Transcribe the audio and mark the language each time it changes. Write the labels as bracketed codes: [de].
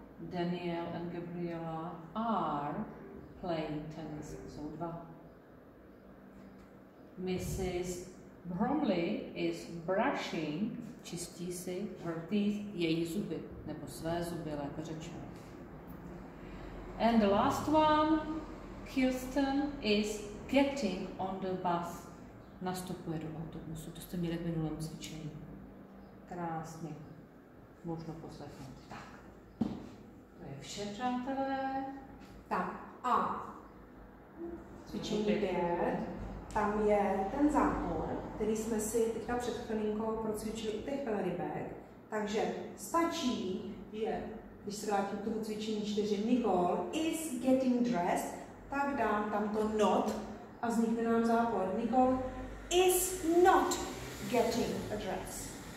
[en] Danielle and Gabriela are playing tennis. [cs] Jsou dva. [en] Mrs. Bromley is brushing, [cs] čistí si [en] her teeth, [cs] její zuby, nebo své zuby, lépe řečeno. [en] And the last one, Kirsten is getting on the bus. [cs] Nastupuje do autobusu, to jste měli v minulém cvičení. Krásně, možno poslechnout. Tak, to je vše, přátelé. Tak, a cvičení 5, tam je ten zápor, který jsme si teďka před chvilinkou procvičili u těch velrybek. Takže stačí, že když se vrátím k tomu cvičení 4, [en] Nicole is getting dressed, [cs] tak dám tam to not a vznikne nám zápor. [en] Nicole is not getting a dress.